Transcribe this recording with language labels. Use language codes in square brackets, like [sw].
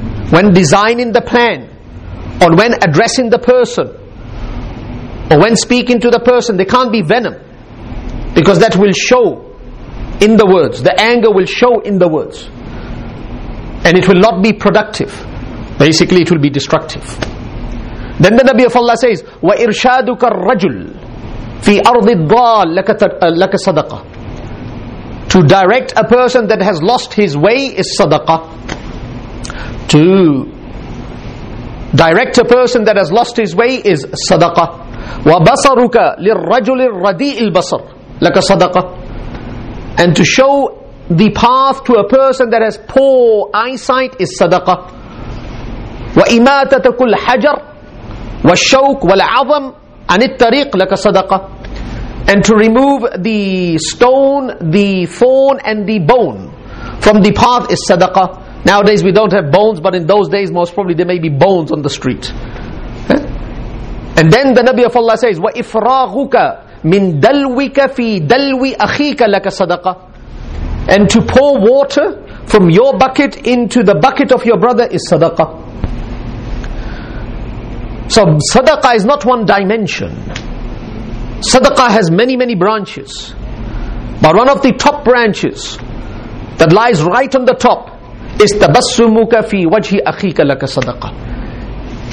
[en] When designing the plan, or when addressing the person, or when speaking to the person, there can't be venom. Because that will show in the words. The anger will show in the words. And it will not be productive. Basically, it will be destructive. Then the Nabi of Allah says, [ar] وَإِرْشَادُكَ الرَّجُلُ فِي أَرْضِ الضَّالِ لَكَ صَدَقَةٌ. [en] To direct a person that has lost his way is sadaqah. To direct a person that has lost his way is sadaqah. [ar] وَبَصَرُكَ لِلْرَّجُلِ الرَّدِيءِ الْبَصَرِ لَكَ صَدَقَةٌ. [en] And to show the path to a person that has poor eyesight is sadaqah. [ar] وَإِمَاتَتَكُ الْحَجَرِ وَالشَّوْكِ وَالْعَظَمِ عَنِ الطَّرِيقِ لَكَ صَدَقَةٌ. [en] And to remove the stone, the thorn and the bone from the path is sadaqah. Nowadays we don't have bones, but in those days most probably there may be bones on the street. And then the Nabi of Allah says, [ar] وَإِفْرَاغُكَ مِنْ دَلْوِكَ فِي دَلْوِ أَخِيكَ لَكَ صَدَقَةً. [en] And to pour water from your bucket into the bucket of your brother is sadaqah. So sadaqah is not one dimension. Sadaqah has many, many branches. But one of the top branches that lies right on the top is [ar] تَبَسُّمُكَ فِي وَجْهِ أَخِيكَ لَكَ صَدَقَةً.